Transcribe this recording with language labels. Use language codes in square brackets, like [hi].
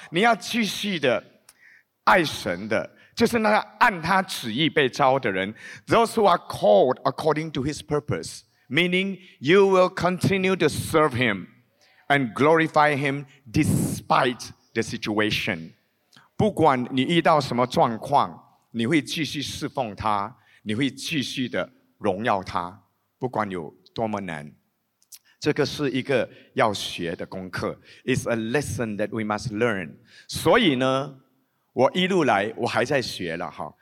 [zh] 你要继续的爱神的，就是那个按他旨意被召的人。 [en] Those who are called according to His purpose, meaning you will continue to serve Him and glorify Him despite the situation. [zh] 不管你遇到什么状况，你会继续侍奉他，你会继续的荣耀他，不管有多么难。这个是一个要学的功课 ， [en] It's a lesson that we must learn。 [zh] 所以呢，我一路来我还在学了哈。